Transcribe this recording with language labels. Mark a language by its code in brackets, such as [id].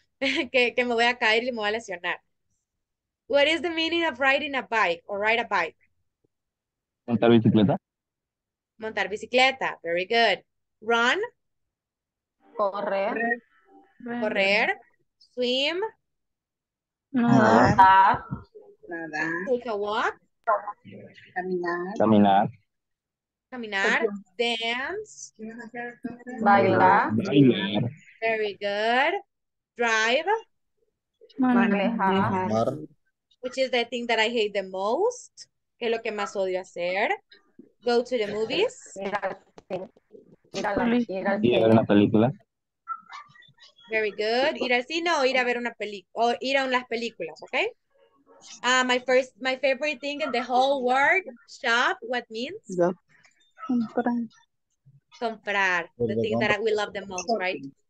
[es] que me voy a caer y me voy a lesionar. [en] What is the meaning of riding a bike or ride a bike? [es] ¿Montar bicicleta? Montar bicicleta. [en] Very good. Run. [es] Correr. Correr. Swim. Nadar. [en] Take a walk. [es] Caminar. Caminar. Dance. Bailar. [en] Very good. Drive. [es] Manejar. [en] Which is the thing that I hate the most. [es] Que es lo que más odio hacer. [en] Go to the movies. [es] Ir a una película. [en] Very good. [es] Ir al cine o ir a ver una película. O ir a unas películas, ¿ok? [en] My favorite thing in the whole world, shop, what means? [es] Comprar. [en] The thing that we love the most, right?